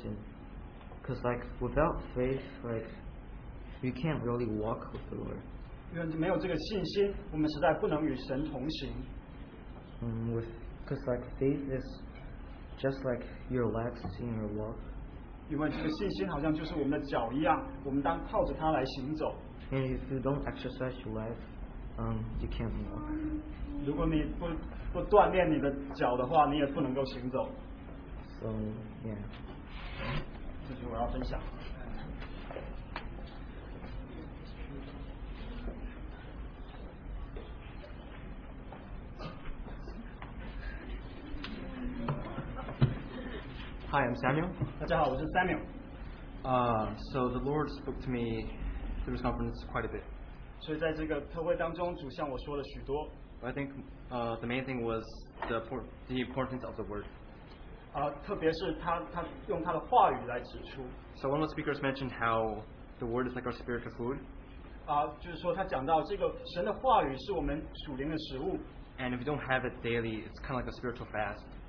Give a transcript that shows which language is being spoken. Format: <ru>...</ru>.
<en>And because like without faith, like you can't really walk with the Lord.</en> <zh>因为没有这个信心，我们实在不能与神同行。</zh> <en>Because like faith is just like your legs in your walk.</en> <zh>因为这个信心好像就是我们的脚一样，我们当靠着它来行走。</zh> <en>And if you don't exercise your life, you can't walk.</en> <zh>如果你不锻炼你的脚的话，你也不能够行走。</zh> <en>So, yeah.</en> <zh>这是我要分享。</zh> <en>Hi, I'm Samuel.</en> <zh>大家好, 我是Samuel.</zh> <en>So the Lord spoke to me through this conference quite a bit.</en> <zh>所以在这个特会当中, 主向我说了许多,</zh> <en>but I think the main thing was the importance of the word.</en> <zh>特别是他用他的话语来指出。</zh> <en>So one of the speakers mentioned how the word is like our spiritual food.</en> <zh>就是说他讲到这个神的话语是我们属灵的食物。</zh> <en>And if you don't have it daily, it's kind of like a spiritual fast.</en>